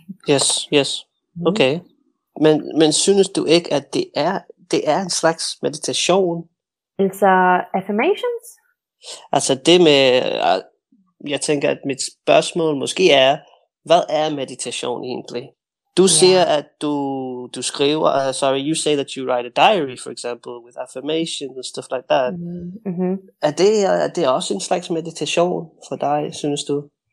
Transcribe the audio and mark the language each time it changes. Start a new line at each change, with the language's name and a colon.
English: Yes. Okay.
Danish: Men synes du ikke, at det er en slags meditation? Altså affirmations? Altså det med, jeg tænker, at mit spørgsmål måske er, hvad er meditation egentlig? Du siger, at du skriver,
English: you say that you write a diary, for example, with affirmations and stuff like that. Mm-hmm.
Danish: Er det også en slags meditation for dig, synes du?